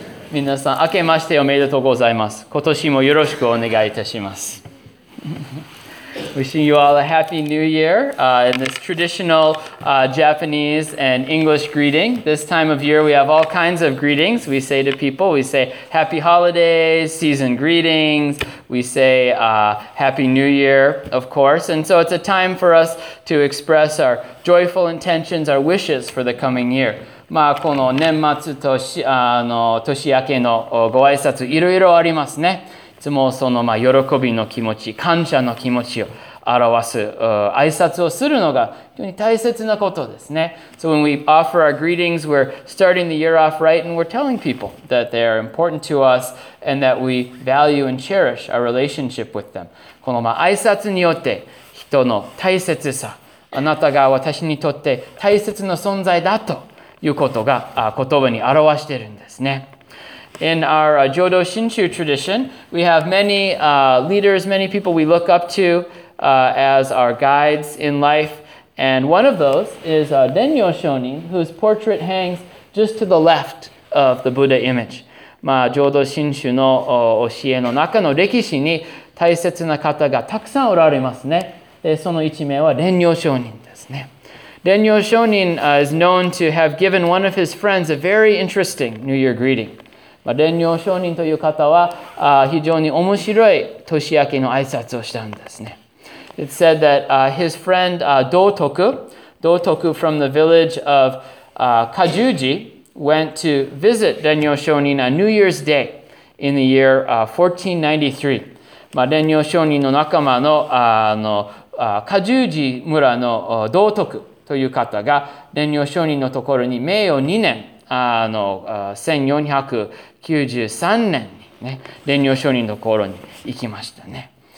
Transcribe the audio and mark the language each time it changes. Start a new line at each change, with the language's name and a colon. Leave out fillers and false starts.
Japanese: 皆さん、明けましておめでとうございます。今年もよろしくお願いいたします。
English: Wishing you all a Happy New Year in this traditional Japanese and English greeting. This time of year, we have all kinds of greetings. We say to people, we say Happy Holidays, Season Greetings. We say Happy New Year, of course. And so it's a time for us to express our joyful intentions, our wishes for the coming year.
Japanese: まあ、この年末と年明けのご挨拶、いろいろありますね。いつもそのまあ喜びの気持ち、感謝の気持ちを表す挨拶をするのが非常に大切なことですね。
English: So when we offer our greetings, we're starting the year off right and we're telling people that they are important to us and that we value and cherish our relationship with them.
Japanese: このまあ挨拶によって人の大切さ、あなたが私にとって大切な存在だということが言葉に表しているんですね。
English: In our Jodo Shinshu tradition, we have many leaders, many people we look up to as our guides in life. And one of those is Denyo Shonin, whose portrait hangs just to the left of the Buddha image.
Japanese: まあ、Jodo Shinshu の教えの中の歴史に大切な方がたくさんおられますね。で、その一名は Denyo Shonin ですね。
English: Denyo Shonin is known to have given one of his friends a very interesting New Year greeting.
Japanese: まあ、蓮如上人という方は非常に面白い年明けの挨拶をしたんですね。
English: It said that his friend Dōtoku from the village of Kajuji went to visit 蓮如上人 on New Year's Day in the year 1493.
Japanese: まあ、蓮如上人の仲間の Kajuji 村の Dōtoku という方が蓮如上人のところに明よ2年1493年にね、蓮如上人のところに行きましたね。